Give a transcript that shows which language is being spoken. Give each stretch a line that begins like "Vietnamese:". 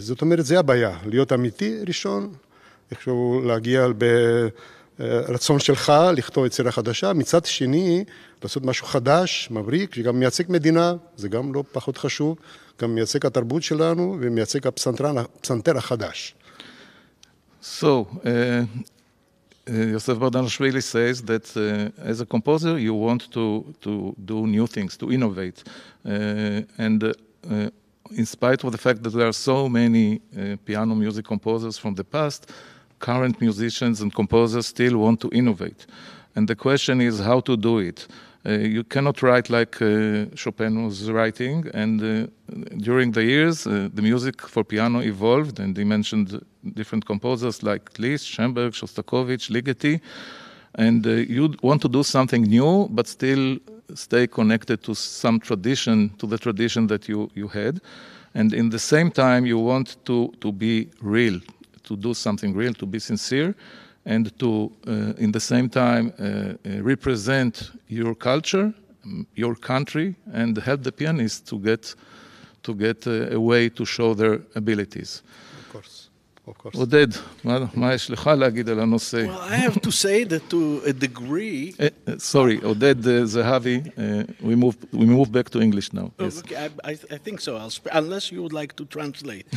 Hebrew: זאת אומרת, זה הבעיה, להיות אמיתי ראשון, איכשהו להגיע ברצון שלך לכתוב יצירה חדשה, מצד שני, לעשות משהו חדש, מבריק, שגם מייצג מדינה, זה גם לא פחות חשוב, גם מייצג התרבות שלנו ומייצג הפסנתר החדש.
English: So, Josef Bardanashvili says that as a composer you want to do new things, to innovate. In spite of the fact that there are so many piano music composers from the past, current musicians and composers still want to innovate. And the question is how to do it. You cannot write like Chopin was writing, and during the years the music for piano evolved, and he mentioned different composers like Liszt, Schoenberg, Shostakovich, Ligeti, and you want to do something new but still stay connected to some tradition, to the tradition that you had, and in the same time you want to be real, to do something real, to be sincere, and to in the same time represent your culture, your country, and help the pianists to get a way to show their abilities. Of course.
Hebrew: Oded, מה יש לך להגיד על הנושא?
English: Well, I have to say that to a degree... sorry, Oded Zehavi, we move back to English now. Yes. Okay, I think so, unless you would like to translate.